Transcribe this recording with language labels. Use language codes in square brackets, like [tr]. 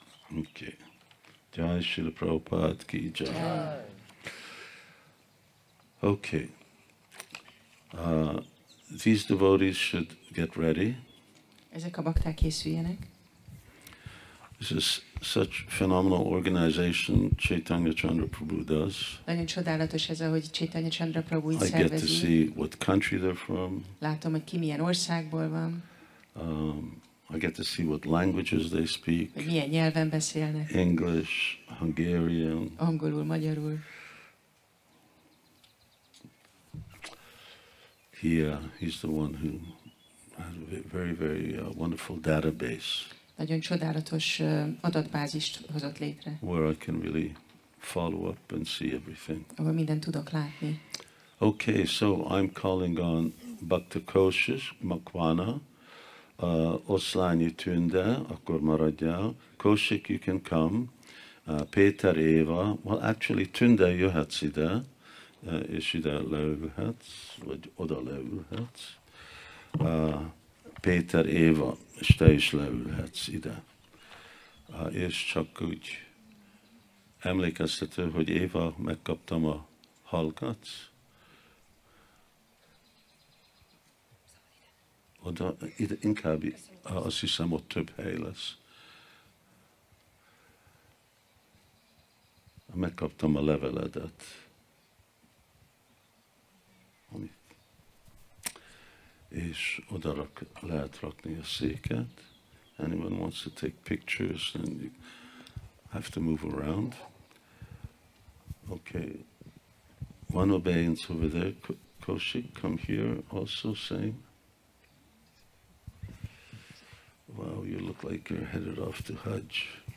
[hu] Oké. Jai Śrīla Prabhupāda ki jai. [en] Okay, these devotees should get ready. [hu] Ezek a bakták készüljenek. [en] This is such phenomenal organization Chaitanya Chandra Prabhu does. [hu] Nagyon csodálatos ez, ahogy Chaitanya Chandra Prabhu így szervezi. [en] I get to see what country they're from. [hu] Látom, hogy ki milyen országból van. [en] I get to see what languages they speak. [hu] Milyen nyelven beszélnek. [en] English, Hungarian. [hu] Angolul, magyarul. [en] He's the one who has a very, very wonderful database. [hu] Nagyon csodálatos adatbázist hozott létre. [en] Where I can really follow up and see everything. [hu] Ahol mindent tudok látni. [en] Okay, so I'm calling on Bhakta Koshish Makwana, Oslanyi Tunda, Akur Maradya. Koshik, you can come. Peter Eva, well, actually, Tunda Yohatsida, Ishida Lauhats, Oda Lauhats. Peter Eva, Steish Lauhatsida. [hu] És csak úgy emlékeztető, hogy Éva, megkaptam a halkat. Oda, ide, inkább azt hiszem, ott több hely lesz. Megkaptam a leveledet. Amit. És oda lehet rakni a széket. [en] Anyone wants to take pictures, then you have to move around. Okay. One obeyance over there. Koshik, come here also, same. Wow, you look like you're headed off to Hajj.